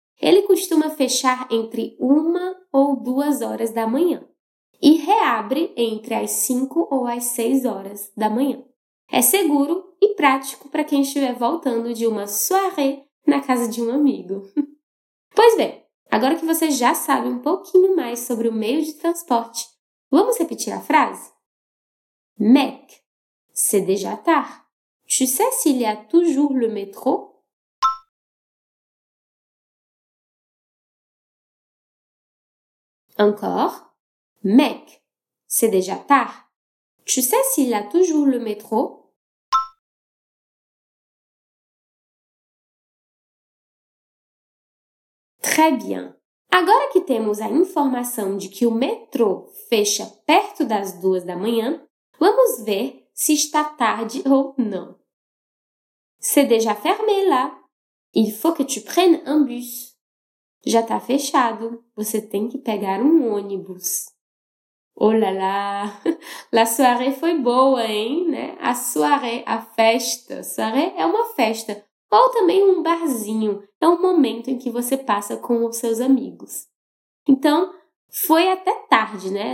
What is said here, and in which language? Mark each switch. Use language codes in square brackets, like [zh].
[pt] Ele costuma fechar entre 1 ou 2 horas da manhã e reabre entre as 5 ou as 6 horas da manhã. É seguro e prático para quem estiver voltando de uma soirée na casa de um amigo. Pois bem, agora que você já sabe um pouquinho mais sobre o meio de transporte, vamos repetir a frase? [fr] Mec, c'est déjà tard. Tu sais s'il y a toujours le métro? Encore. Mec, c'est déjà tard. Tu sais s'il y a toujours le métro? Très bien. [pt] Agora que temos a informação de que o metrô fecha perto das 2 da manhã, vamos ver se está tarde ou não. [fr] C'est déjà fermé là. Il faut que tu prennes un bus. [pt] Já está fechado. Você tem que pegar um ônibus. [fr] Oh là là! [pt] La soirée foi boa, hein? Né? A soirée, a festa. Soirée é uma festa. Ou também um barzinho. É um momento em que você passa com os seus amigos. Então, foi até tarde, né?